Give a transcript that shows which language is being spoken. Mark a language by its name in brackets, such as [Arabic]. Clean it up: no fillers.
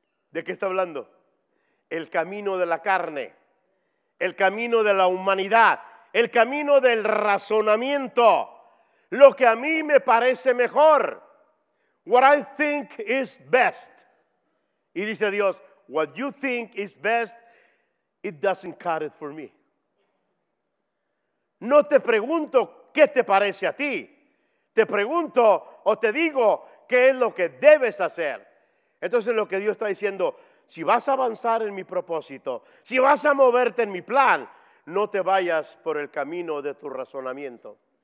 [Spanish] ¿De qué está hablando? El camino de la carne, el camino de la humanidad, el camino del razonamiento. Lo que a mí me parece mejor. [English] What I think is best. [Spanish] Y dice Dios, [English] what you think is best, it doesn't cut it for me. [Spanish] No te pregunto qué te parece a ti. Te pregunto o te digo qué es lo que debes hacer. Entonces lo que Dios está diciendo, si vas a avanzar en mi propósito, si vas a moverte en mi plan, no te vayas por el camino de tu razonamiento.